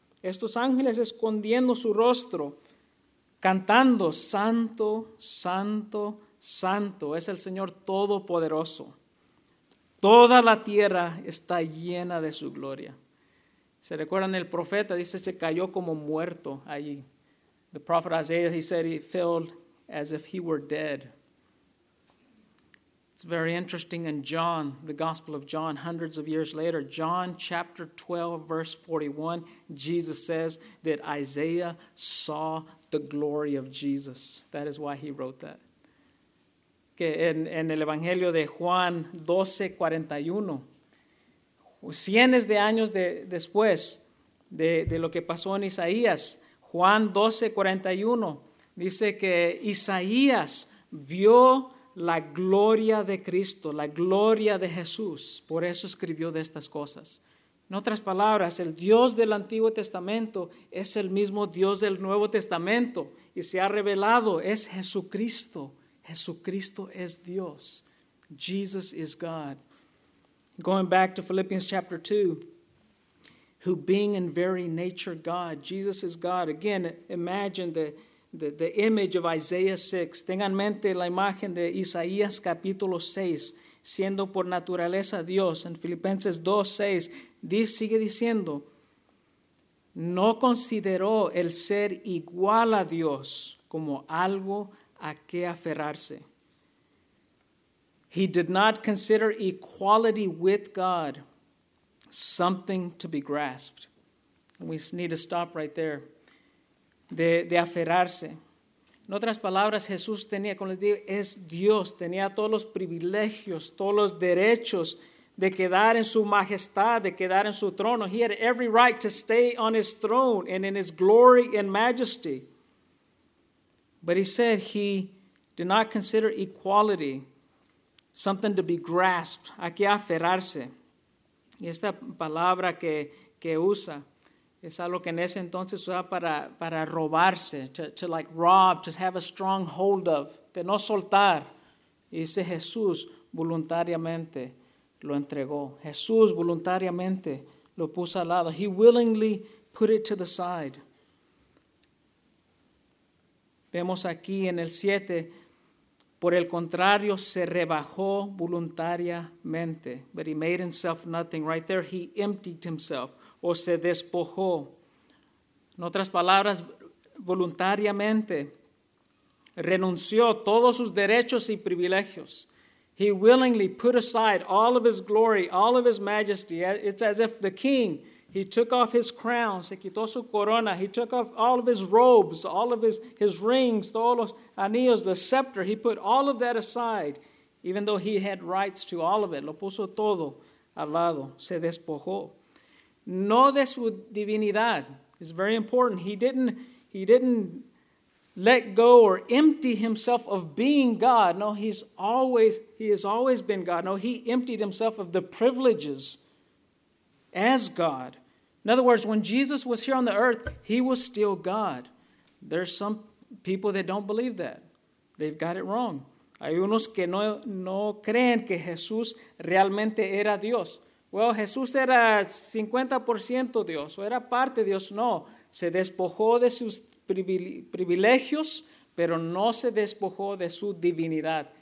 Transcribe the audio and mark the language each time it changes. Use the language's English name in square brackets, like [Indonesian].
[Spanish] Estos ángeles escondiendo su rostro, cantando, santo, santo, santo, es el Señor Todopoderoso. Toda la tierra está llena de su gloria. Se recuerdan el profeta, dice, se cayó como muerto allí. [English] The prophet Isaiah, he said, he fell as if he were dead. It's very interesting in John, the Gospel of John, hundreds of years later, John chapter 12, verse 41, Jesus says that Isaiah saw the glory of Jesus. That is why he wrote that. [Spanish] Que en el Evangelio de Juan 12, 41, cientos de años después de lo que pasó en Isaías, Juan 12, 41, dice que Isaías vio la gloria de Cristo, la gloria de Jesús. Por eso escribió de estas cosas. En otras palabras, el Dios del Antiguo Testamento es el mismo Dios del Nuevo Testamento y se ha revelado, es Jesucristo. Jesucristo es Dios. [English] Jesus is God. Going back to Philippians chapter 2, who being in very nature God, Jesus is God. Again, imagine the image of Isaiah 6. [Spanish] Tengan mente la imagen de Isaías capítulo 6, siendo por naturaleza Dios. En Filipenses 2, 6, sigue diciendo, no consideró el ser igual a Dios como algo a que aferrarse. [English] He did not consider equality with God something to be grasped. We need to stop right there. [Spanish] De aferrarse. En otras palabras, Jesús tenía, como les digo, es Dios, tenía todos los privilegios, todos los derechos de quedar en su majestad, de quedar en su trono. [English] He had every right to stay on his throne and in his glory and majesty. But he said he did not consider equality something to be grasped, [Spanish] a que aferrarse. Y esta palabra que usa es algo que en ese entonces usaba para robarse, [English] to like rob, to have a strong hold of, [Spanish] de no soltar. Y dice Jesús voluntariamente lo entregó. Jesús voluntariamente lo puso al lado. [English] He willingly put it to the side. [Spanish] Vemos aquí en el 7, por el contrario, se rebajó voluntariamente. [English] But he made himself nothing. Right there, he emptied himself. [Spanish] O se despojó. En otras palabras, voluntariamente renunció todos sus derechos y privilegios. [English] He willingly put aside all of his glory, all of his majesty. It's as if the king, he took off his crown, [Spanish] se quitó su corona, [English] he took off all of his robes, all of his rings, [Spanish] todos los anillos, [English] the scepter, he put all of that aside, even though he had rights to all of it. [Spanish] Lo puso todo al lado, se despojó. No de su divinidad. [English] It's very important. He didn't let go or empty himself of being God. No, he has always been God. No, he emptied himself of the privileges as God. In other words, when Jesus was here on the earth, he was still God. There's some people that don't believe that. They've got it wrong. [Spanish] Hay unos que no creen que Jesús realmente era Dios. Well, Jesús era 50% Dios, o era parte de Dios. No, se despojó de sus privilegios, pero no se despojó de su divinidad.